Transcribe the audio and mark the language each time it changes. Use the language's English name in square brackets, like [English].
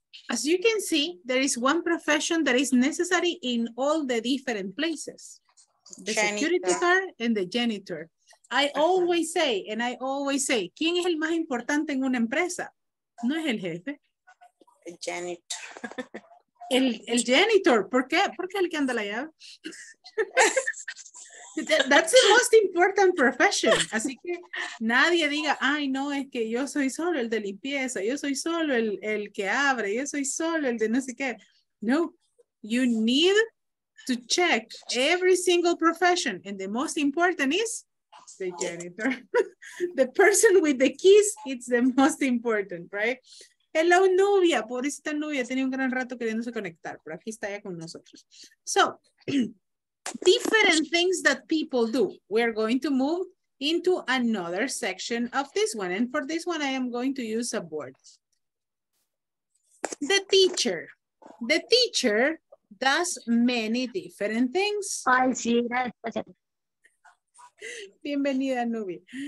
[English] As you can see, there is one profession that is necessary in all the different places. The security guard and the janitor. I always say, [Spanish] ¿quién es el más importante en una empresa? No es el jefe. El janitor. El janitor. ¿Por qué? ¿Por qué el que anda la llave? [English] That's the most important profession. [Spanish] Así que nadie diga, ay, no, es que yo soy solo el de limpieza, yo soy solo el que abre, yo soy solo el de no sé qué. [English] No, you need to check every single profession. And the most important is the janitor. The person with the keys, it's the most important, right? [Spanish] Hello, novia. Pobrecita novia. Tenía un gran rato queriéndose conectar, pero aquí está ya con nosotros. [English] So, different things that people do. We're going to move into another section of this one. And for this one, I am going to use a board. The teacher. The teacher does many different things. [Spanish] Bienvenida, Nubi.